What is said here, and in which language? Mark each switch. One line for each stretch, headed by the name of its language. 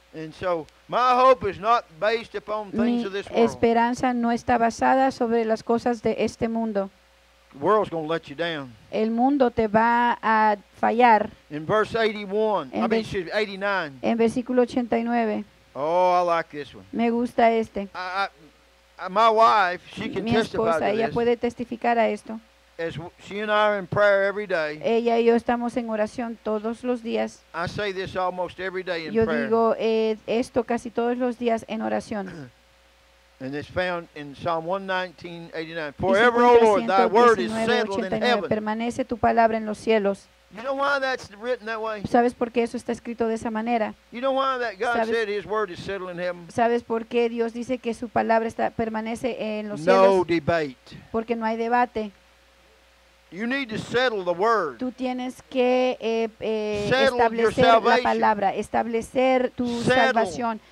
English: And so, my hope is not based upon things of this world.
Spanish: Mi esperanza no está basada sobre las cosas de este mundo.
English: The world's going to let you down.
Spanish: El mundo te va a fallar.
English: In verse 81, I mean 89.
Spanish: En versículo 89.
English: Oh, I like this one.
Spanish: Me gusta este.
English: My wife, she can
Spanish: this. Mi esposa, ella puede testificar a esto.
English: As she and I are in prayer every day.
Spanish: Ella y yo estamos en oración todos los días.
English: I say this almost every day in prayer.
Spanish: Yo digo esto casi todos los días en oración.
English: And it's found in Psalm 119:89. Forever, O Lord, thy word is settled in heaven.
Spanish: Permanece tu palabra en los cielos.
English: You know why that's written that way?
Spanish: ¿Sabes por qué eso está escrito de esa manera?
English: You know why that God said his word is settled in heaven?
Spanish: ¿Sabes por qué Dios dice que su palabra está permanece en los no cielos?
English: No debate.
Spanish: Porque no hay debate.
English: You need to settle the word.
Spanish: Tú tienes que establecer la palabra, establecer tu salvación.